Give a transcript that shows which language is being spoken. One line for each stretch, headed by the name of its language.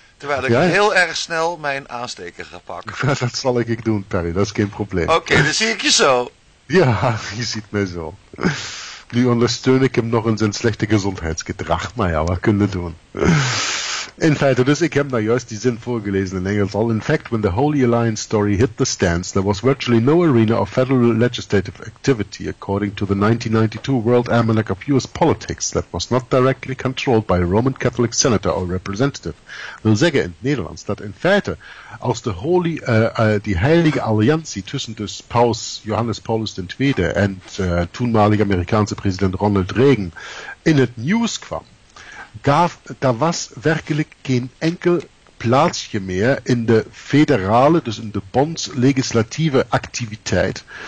Dutch: Terwijl ik heel erg snel mijn aansteker ga pakken. Dat zal ik doen, Perry. Dat is geen probleem. Oké, dan zie ik je zo. Ja, je ziet mij zo. Nu ondersteun ik hem nog in zijn slechte gezondheidsgedrag. Maar ja, wat kunnen we doen? In feite, dus ik heb nou juist die zin voorgelezen in Engels.
English: Al in fact, when the Holy Alliance story hit the stands, there was virtually no arena of federal legislative activity, according to the 1992 World Almanac of US Politics, that was not directly controlled by a Roman Catholic senator or representative.
Dutch: Wil zeggen in het Nederlands dat in feite, als de holy, die heilige alliantie tussen dus Paus Johannes Paulus II en toenmalig Amerikaanse president Ronald Reagan in het nieuws kwam, daar was werkelijk geen enkel plaatsje meer in de federale, dus in de bondslegislatieve activiteit.